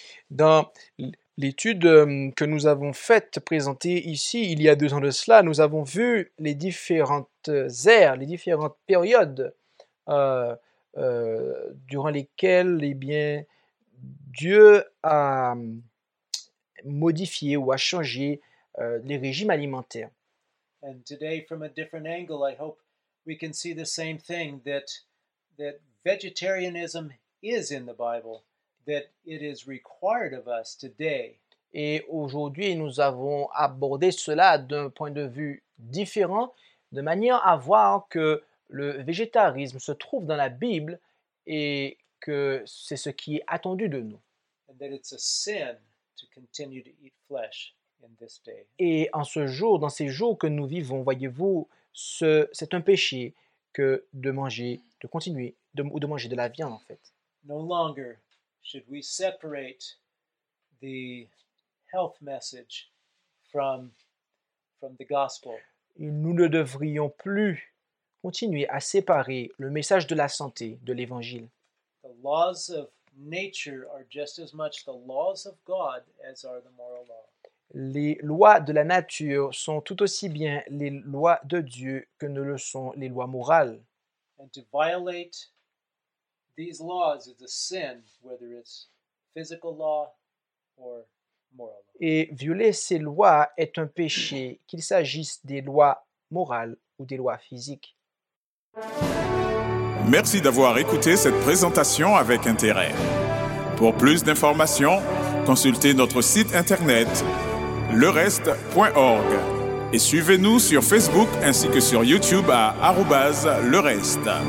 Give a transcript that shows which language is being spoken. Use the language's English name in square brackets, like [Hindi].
[French] Dans l'étude que nous avons faite, présentée ici, il y a 2 ans de cela, nous avons vu les différentes ères, les différentes périodes durant lesquelles Dieu a modifié ou a changé les régimes alimentaires. [English] And today, from a different angle, I hope we can see the same thing, that vegetarianism is in the Bible, that it is required of us today. [French] Et aujourd'hui, nous avons abordé cela d'un point de vue différent, de manière à voir que le végétarisme se trouve dans la Bible et que c'est ce qui est attendu de nous. [English] And that it's a sin to continue to eat flesh in this day. [French] Et en ce jour, dans ces jours que nous vivons, voyez-vous, c'est un péché que de manger, de continuer, ou de manger de la viande, en fait. [English] No longer should we separate the health message from the gospel. [French] Nous ne devrions plus continuer à séparer le message de la santé de l'évangile. [English] The laws of nature are just as much the laws of God as are the moral laws. [French] Les lois de la nature sont tout aussi bien les lois de Dieu que ne le sont les lois morales. [English] And to violate these laws is a sin, whether it's physical law or moral law. [French] Et violer ces lois est un péché, qu'il s'agisse des lois morales ou des lois physiques. Merci d'avoir écouté cette présentation avec intérêt. Pour plus d'informations, consultez notre site internet lereste.org et suivez-nous sur Facebook ainsi que sur YouTube à @lereste.